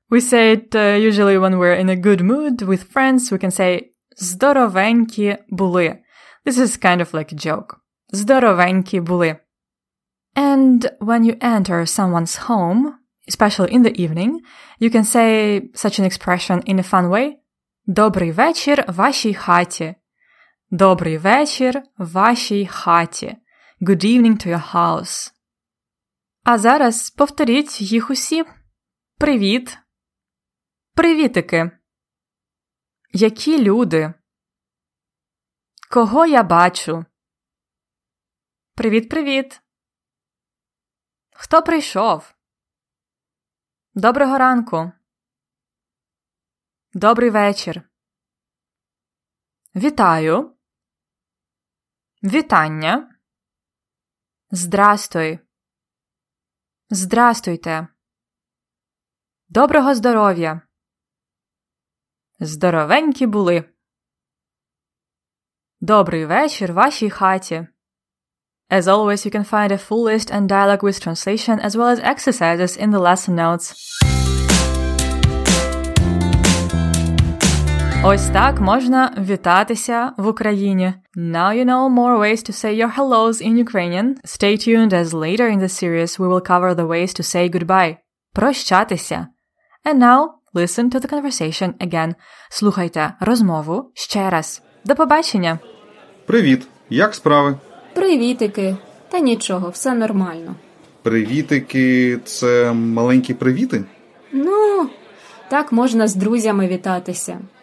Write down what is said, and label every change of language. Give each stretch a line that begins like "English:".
English: We say it usually when we're in a good mood with friends, we can say
Ukrainian: «здоровенькі були».
English: This is kind of like a joke.
Ukrainian: «Здоровенькі були».
English: And when you enter someone's home, especially in the evening, you can say such an expression in a fun way.
Ukrainian: Добрий вечір вашій хаті. Добрий вечір вашій хаті.
English: Good evening to your house.
Ukrainian: А зараз повторіть їх усі. Привіт. Привітики. Які люди? Кого я бачу? Привіт-привіт. Хто прийшов? Доброго ранку. Добрий вечір. Вітаю. Вітання. Здрастуй. Здрастуйте. Доброго здоров'я. Здоровенькі були. Добрий вечір вашій хаті.
English: As always, you can find a full list and dialogue with translation as well as exercises in the lesson notes.
Ukrainian: Ось так можна вітатися в Україні.
English: Now you know more ways to say your hellos in Ukrainian. Stay tuned as later in the series we will cover the ways to say goodbye. Прощатися. And now, listen to the conversation again.
Ukrainian: Слухайте розмову ще раз. До побачення. Привіт, як справи? Привітики. Та нічого, все нормально. Привітики – це маленькі привіти? Ну, так можна з друзями вітатися.